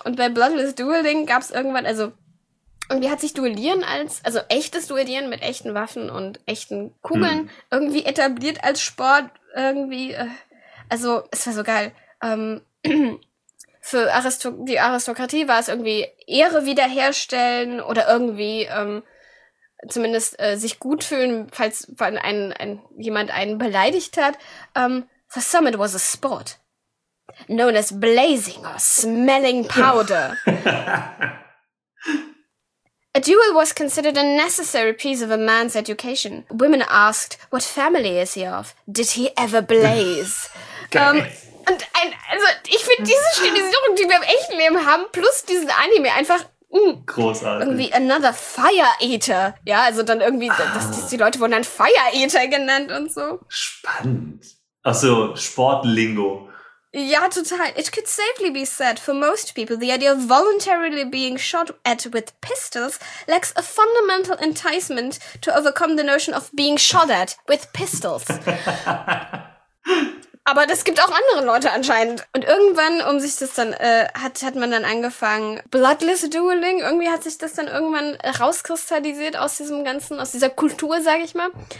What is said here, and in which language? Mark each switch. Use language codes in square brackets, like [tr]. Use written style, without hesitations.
[de] Und bei Bloodless Dueling gab's irgendwann, also irgendwie hat sich Duellieren als, also echtes Duellieren mit echten Waffen und echten Kugeln irgendwie etabliert als Sport irgendwie, also es war so geil, für die Aristokratie war es irgendwie Ehre wiederherstellen oder irgendwie zumindest sich gut fühlen, falls jemand einen beleidigt hat. [en] For some it was a sport known as blazing or smelling powder. A duel was considered a necessary piece of a man's education. Women asked, what family is he of? Did he ever blaze? [de] Und ich finde diese Stilisierung, die wir im echten Leben haben, plus diesen Anime einfach großartig. [en] Irgendwie another Fire Eater. [de] Ja, also dann irgendwie, die Leute wurden dann Fire Eater genannt und so. Spannend. Also Sportlingo. Ja, total. [en] It could safely be said, for most people, the idea of voluntarily being shot at with pistols lacks a fundamental enticement to overcome the notion of being shot at with pistols. [de] Aber das gibt auch andere Leute anscheinend. Und irgendwann, um sich das dann, hat man dann angefangen, Bloodless Dueling, irgendwie hat sich das dann irgendwann rauskristallisiert aus diesem Ganzen, aus dieser Kultur, sag ich mal.